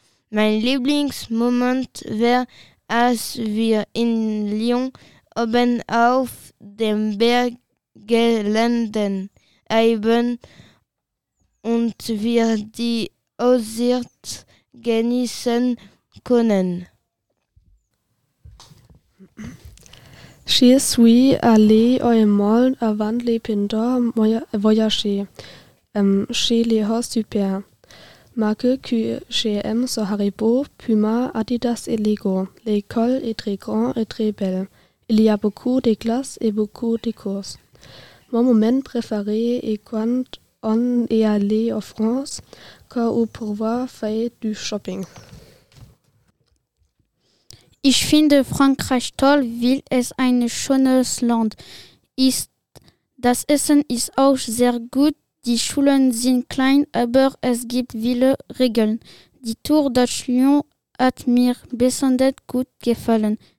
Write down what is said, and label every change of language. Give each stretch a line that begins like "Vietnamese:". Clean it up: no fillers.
German: Mein Lieblingsmoment war, als wir in Lyon oben auf dem Berg gelandet haben und wir die Aussicht genießen können.
French: Je suis allé au monde avant les pendants voyager chez les hauts super. Marque que j'aime sont Haribo, Puma, Adidas et Lego. L'école est très grande et très belle. Il y a beaucoup de classes et beaucoup de cours. Mon moment préféré est quand on est allé en France car on pouvait faire du shopping.
German: Ich finde Frankreich toll, weil es ein schönes Land ist. Das Essen ist auch sehr gut. Die Schulen sind klein, aber es gibt viele Regeln. Die Tour durch Lyon hat mir besonders gut gefallen.